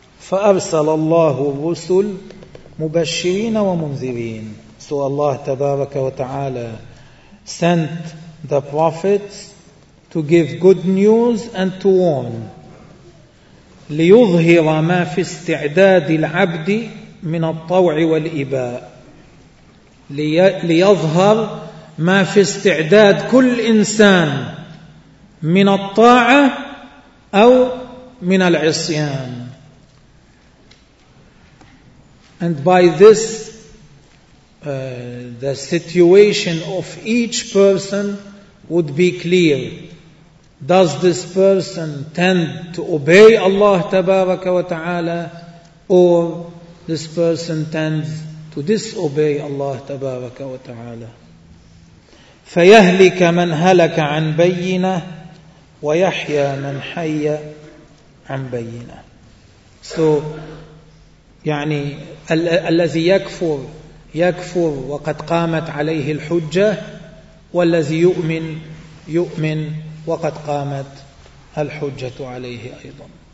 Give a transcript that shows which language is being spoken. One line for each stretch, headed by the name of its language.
Arabic: فَأَرْسَلَ اللَّهُ الرُّسُلُ مُبَشِّرِينَ وَمُنْذِرِينَ
English: So Allah
Arabic: تبارك وتعالى
English: sent the prophets to give good news and to warn.
Arabic: لِيُظْهِرَ مَا فِي اسْتِعْدَادِ الْعَبْدِ مِنَ الطَّوْعِ وَالْإِبَاءِ لِيَظْهَرْ مَا فِي اسْتِعْدَادِ كُلْ إِنسَانِ مِنَ الطَّاعَةِ أَوْ مِنَ الْعِصْيَانِ
English: And by this, the situation of each person would be clear. Does this person tend to obey Allah Tabaraka wa Ta'ala or this person tends to disobey Allah Tabaraka wa Ta'ala?
Arabic: فَيَهْلِكَ مَنْ هَلَكَ عَنْ بَيِّنَهُ وَيَحْيَى مَنْ حَيَّ عَنْ بَيِّنَهُ So, يعني الذي يكفر يكفر وقد قامت عليه الحجة والذي يؤمن يؤمن وقد قامت الحجة عليه أيضا